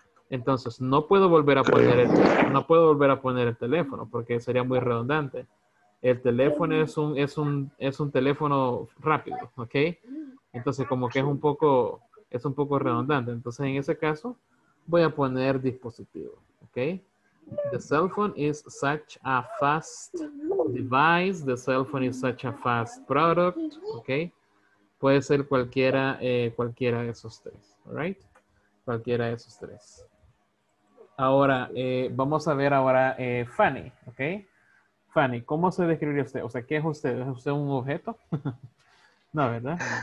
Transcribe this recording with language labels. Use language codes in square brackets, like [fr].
[es] Entonces, no puedo volver a poner el, no puedo volver a poner el teléfono porque sería muy redundante. El teléfono es un teléfono rápido, ¿ok? Entonces, como que es un poco redundante. Entonces, en ese caso, voy a poner dispositivo, ¿ok? [en] The cell phone is such a fast device. The cell phone is such a fast product, ¿ok? [es] Puede ser cualquiera de esos tres, ¿all right? Cualquiera de esos tres. Ahora, vamos a ver ahora Fanny, ¿ok? Fanny, ¿cómo se describe usted? O sea, ¿qué es usted? ¿Es usted un objeto? No, ¿verdad?